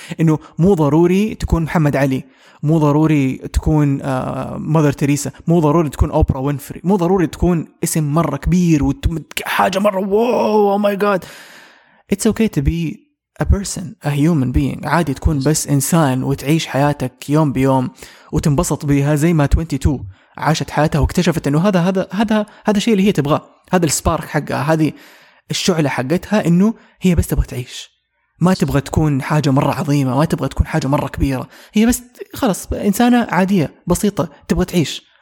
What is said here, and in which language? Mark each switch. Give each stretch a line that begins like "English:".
Arabic: انه مو ضروري تكون محمد علي، مو ضروري تكون مادر تريسا، مو ضروري تكون أوبرا وينفري، مو ضروري تكون اسم مرة كبير وحاجة مرة واو او ماي جاد.
English: It's okay to be a person, a human being.
Arabic: عادي تكون بس إنسان وتعيش حياتك يوم بيوم وتنبسط بيها، زي ما 22 عاشت حياتها واكتشفت أنه هذا هذا هذا هذا شيء اللي هي تبغاه، هذا السبارك حقها، هذه الشعلة حقتها، أنه هي بس تبغى تعيش، ما تبغى تكون حاجة مرة عظيمة، ما تبغى تكون حاجة مرة كبيرة، هي بس خلاص إنسانة عادية بسيطة تبغى تعيش.